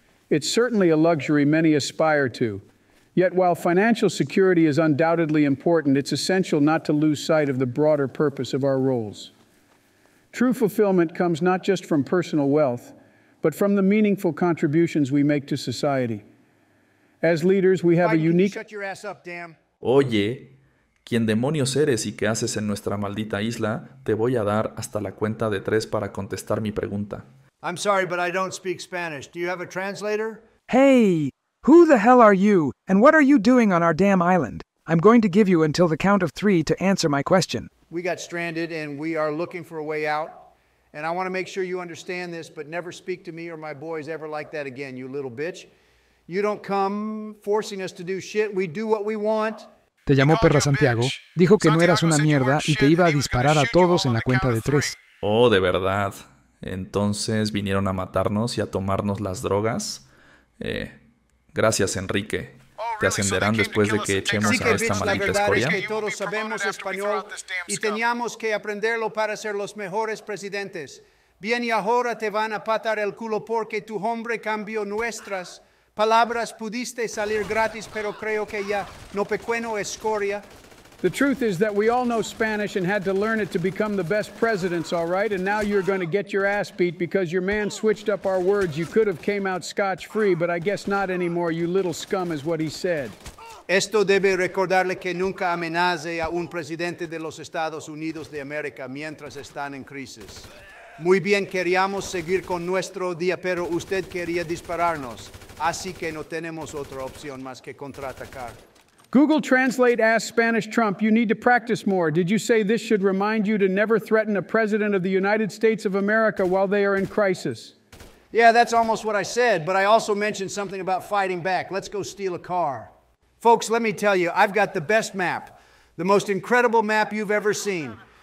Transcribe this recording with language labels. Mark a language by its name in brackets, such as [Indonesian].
[English] It's certainly a luxury many aspire to. Yet while financial security is undoubtedly important, it's essential not to lose sight of the broader purpose of our roles. True fulfillment comes not just from personal wealth, but from the meaningful contributions we make to society. As leaders, we have Biden, a unique... Shut your ass up, damn. [Spanish] Oye. ¿Quién demonios eres y qué haces en nuestra maldita isla? Te voy a dar hasta la cuenta de tres para contestar mi pregunta. [English] I'm sorry, but I don't speak Spanish. Do you have a translator? Hey! Who the hell are you, and what are you doing on our damn island? I'm going to give you until the count of three to answer my question. We got stranded, and we are looking for a way out. And I want to make sure you understand this, but never speak to me or my boys ever like that again, you little bitch. You don't come forcing us to do shit. We do what we want. [Spanish] Te llamó perra Santiago, dijo que no eras una mierda y te iba a disparar a todos en la cuenta de tres. Oh, ¿de verdad? ¿Entonces vinieron a matarnos y a tomarnos las drogas? Gracias, Enrique. ¿Te ascenderán después de que echemos a esta maldita escoria? Todos sabemos español y teníamos que aprenderlo para ser los mejores presidentes. Bien, y ahora te van a patar el culo porque tu hombre cambió nuestras... Palabras pudiste salir gratis, pero creo que ya no pequeño escoria. [English] The truth is that we all know Spanish and had to learn it to become the best presidents, all right? And now you're going to get your ass beat because your man switched up our words. You could have came out scotch-free, but I guess not anymore, you little scum, is what he said. [Spanish] Esto debe recordarle que nunca amenace a un presidente de los Estados Unidos de América mientras están en crisis. Muy bien, queríamos seguir con nuestro día, pero usted quería dispararnos. Así que no tenemos otra opción más que contraatacar. [English] Google Translate asked Spanish Trump, you need to practice more. Did you say this should remind you to never threaten a president of the United States of America while they are in crisis? Yeah, that's almost what I said, but I also mentioned something about fighting back. Let's go steal a car. Folks, let me tell you, I've got the best map, the most incredible map you've ever seen.